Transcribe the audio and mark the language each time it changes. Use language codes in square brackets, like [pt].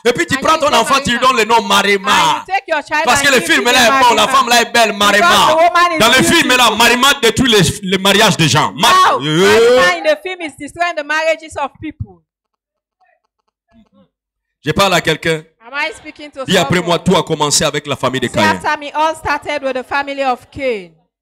[fr] Et puis tu prends ton enfant, tu lui donnes le nom Marimar. Parce que le film là est bon, la femme là est belle, Marimar. Dans le film là, Marimar détruit les mariages des gens. [en] Marimar in the film is destroying the marriages of people. [fr] Je parle à quelqu'un. [en] Am I speaking to [fr] puis après moi, tout a commencé avec la famille de Caïn. [en] See, after me, all started with the family of Cain.